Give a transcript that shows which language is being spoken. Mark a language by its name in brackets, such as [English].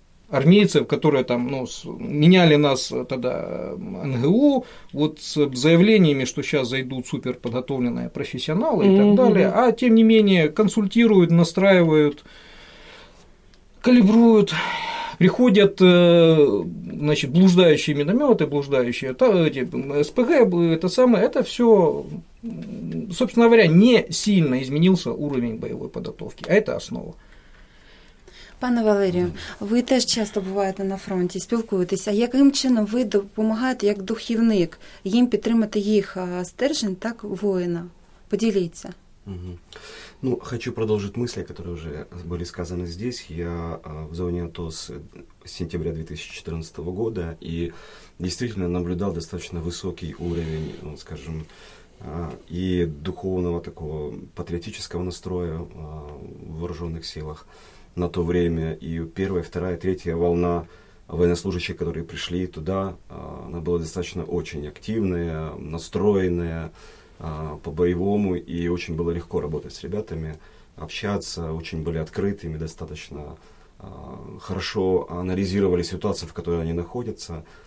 [Russian] армейцев, которые там, ну, меняли нас тогда НГУ, вот с заявлениями, что сейчас зайдут суперподготовленные профессионалы и так далее, а тем не менее консультируют, настраивают, калибруют, приходят, значит, блуждающие минометы, блуждающие эти СПГ, это самое, это все, собственно говоря, не сильно изменился уровень боевой подготовки, а это основа. [Ukrainian] Пане Валерію, ви теж часто буваєте на фронті, спілкуєтесь. А яким чином ви допомагаєте, як духівник, їм підтримати їх стержень, так, воїна? Поділіться. Угу. Ну, хочу продовжити мислі, які вже були сказані здесь. Я в зоні АТО з сентября 2014 року і дійсно наблюдав достатньо високий рівень, ну, скажімо, і духовного такого патріотичного настрою в вооружених силах. [Russian] На то время и первая, вторая, третья волна военнослужащих, которые пришли туда, она была достаточно очень активная, настроенная по-боевому, и очень было легко работать с ребятами, общаться, очень были открытыми, достаточно хорошо анализировали ситуацию, в которой они находятся.